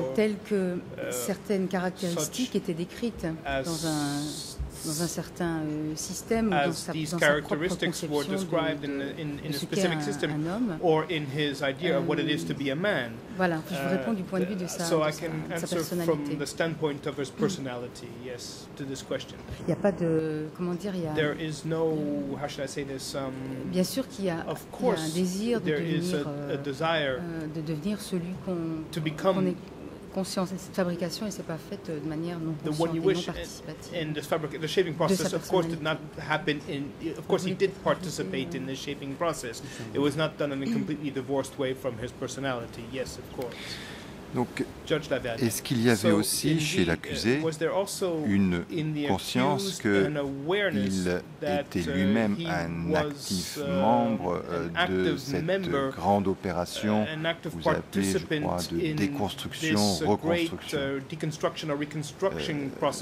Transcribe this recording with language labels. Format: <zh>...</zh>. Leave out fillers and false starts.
<fr>tel que certaines caractéristiques étaient décrites dans un certain système, ou dans sa propre conception de ce qu'est un homme,</fr> <en>or in his idea of what it is to be a man.</en> <fr>Voilà, je vous réponds du point de vue de sa personnalité.</fr> <en>So I can answer from the standpoint of his personality, yes, to this question.</en> <fr>Il n'y a pas de, comment dire,</fr> <en>There is no, how should I say this?</en> <fr>Bien sûr qu'il y a,</fr> <en>of course,</en> <fr>y a un désir de devenir celui qu'on est. Conscience, cette fabrication ne s'est pas faite de manière non consciente et non participative.</fr> <en>In the shaping process, of course, did not happen. Of course, he did participate in the shaping process. It was not done in a completely divorced way from his personality. Yes, of course.</en> <fr>Donc, est-ce qu'il y avait aussi chez l'accusé une conscience qu'il était lui-même un actif membre de cette grande opération, vous appelez, je crois, de déconstruction, reconstruction.</fr>